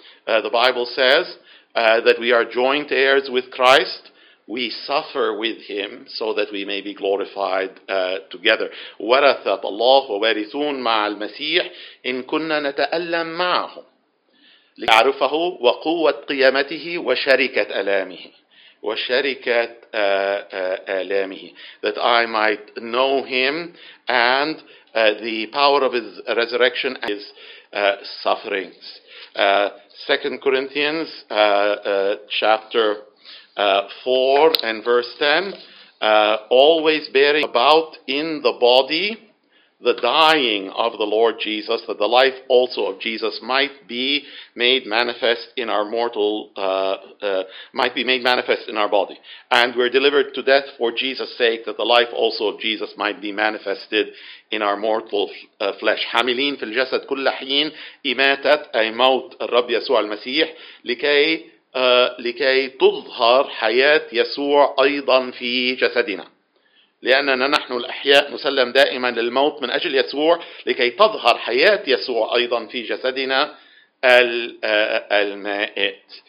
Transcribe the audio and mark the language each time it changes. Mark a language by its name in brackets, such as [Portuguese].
[English] The Bible says that we are joint heirs with Christ. We suffer with him so that we may be glorified together. [Arabic] ورثة الله وارثون مع المسيح إن كنا نتألم معه لعرفه وقوة قيامته وشركة ألامه وشركة ألامه. [English] That I might know him and the power of his resurrection and his sufferings. 2 Corinthians chapter 4 and verse 10, always bearing about in the body the dying of the Lord Jesus, that the life also of Jesus might be made manifest in our mortal, might be made manifest in our body. And we're delivered to death for Jesus' sake, that the life also of Jesus might be manifested in our mortal flesh. [Arabic] حاملين في الجسد كل حين إماتة أي موت الرب يسوع المسيح لكي لكي تظهر حياة يسوع أيضا في جسدنا. لأننا نحن الأحياء نسلم دائما للموت من أجل يسوع لكي تظهر حياة يسوع أيضا في جسدنا المائت.